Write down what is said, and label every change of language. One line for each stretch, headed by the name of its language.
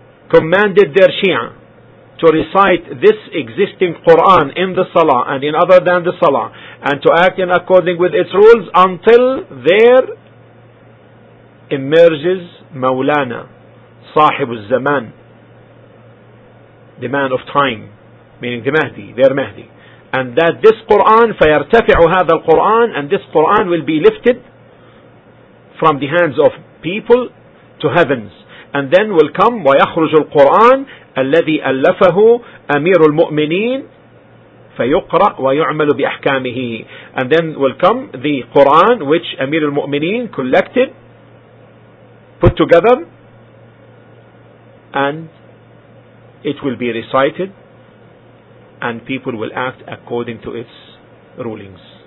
English: commanded their Shia to recite this existing Quran in the Salah and in other than the Salah, and to act in according with its rules until there emerges Mawlana, Sahib al-Zaman, the man of time, meaning the Mahdi, their Mahdi. And that this Quran,
Arabic: فَيَرْتَفِعُ هَذَا الْقُرْآنِ,
English: and this Quran will be lifted from the hands of people to heavens. And then will come
Arabic: وَيَخْرُجُ الْقُرْآنِ الَّذِي أَلَّفَهُ أَمِيرُ الْمُؤْمِنِينَ فَيُقْرَأْ وَيُعْمَلُ بِأَحْكَامِهِ.
English: And then will come the Quran which Amir al-Mu'mineen collected, put together, and it will be recited, and people will act according to its rulings.